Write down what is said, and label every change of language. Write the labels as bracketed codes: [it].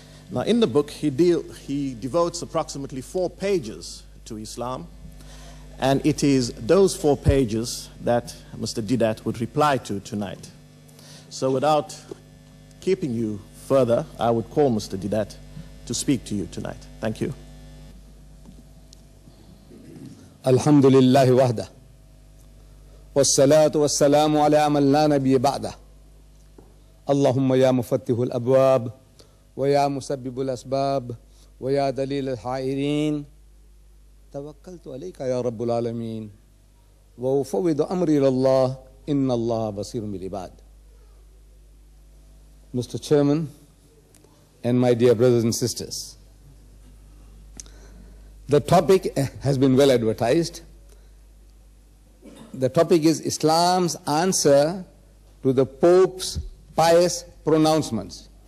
[en] Now in the book, he devotes approximately 4 pages to Islam, and it is those 4 pages that Mr. Didat would reply to tonight. So without keeping you further, I would call Mr. Didat to speak to you tonight. Thank you. [ar] الحمد لله وحده والصلاة والسلام على من لا نبي بعده اللهم يا مفتح الأبواب ويا مسبب الأسباب ويا دليل الحائرين توكلت عليك يا رب العالمين وأفوض أمري إلى الله إن الله بصير بالعباد. [en] Mr. Chairman and my dear brothers and sisters, the topic has been well advertised. The topic is Islam's answer to the Pope's pious pronouncements.